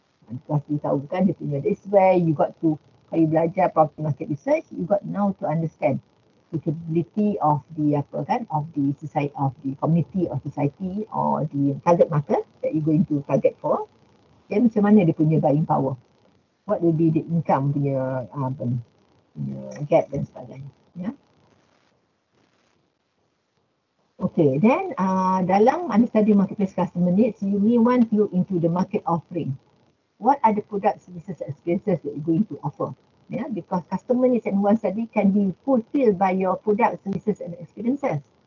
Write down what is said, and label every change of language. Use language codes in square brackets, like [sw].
[en] Because [ms] you tahu kan, dia punya, [en] this way you got to, [ms] kalau you belajar [en] property market research, you got now to understand the capability of the [ms] apa kan, [en] of the society, of the community or society or the target market that you going to target for. [ms] Then macam mana dia punya buying power? [en] What will be the income punya punya gap [ms] dan sebagainya. [en] Yeah. Okay, then dalam understanding marketplace customer needs, you may want to look into the market offering. What are the products, services, experiences that you're going to offer? Yeah, because customer needs and wants study can be fulfilled by your products, services and experiences.